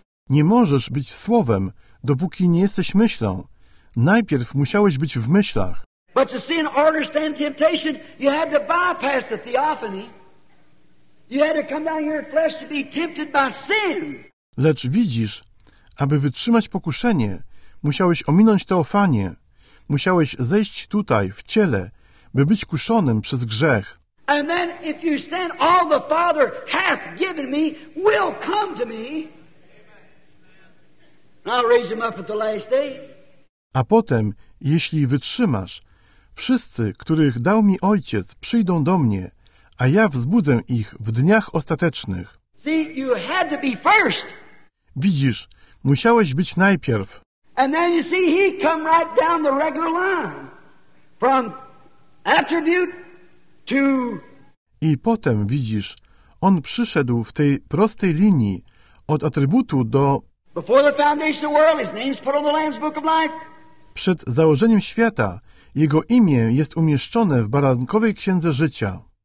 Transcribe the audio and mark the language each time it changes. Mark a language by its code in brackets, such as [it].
[pl] Nie możesz być słowem, dopóki nie jesteś myślą. Najpierw musiałeś być w myślach. [en] But to see and understand temptation, you had to bypass the theophany. You had to come down here in flesh to be tempted by sin. [pl] Lecz widzisz, aby wytrzymać pokuszenie, musiałeś ominąć teofanię. Musiałeś zejść tutaj, w ciele, by być kuszonym przez grzech. [en] And then if you stand, all the Father hath given me will come to me. And I'll raise him up at the last day. [pl] A potem, jeśli wytrzymasz, wszyscy, których dał mi Ojciec, przyjdą do mnie, a ja wzbudzę ich w dniach ostatecznych. [en] See, you had to be first. [pl] Widzisz, musiałeś być najpierw. [en] And then you see, he come right down the regular line. From attribute to... [pl] I potem, widzisz, on przyszedł w tej prostej linii, od atrybutu do... [en] Before the foundation of the world, his name's put on the Lamb's Book of Life. [pl] Przed założeniem świata jego imię jest umieszczone w Barankowej Księdze Życia.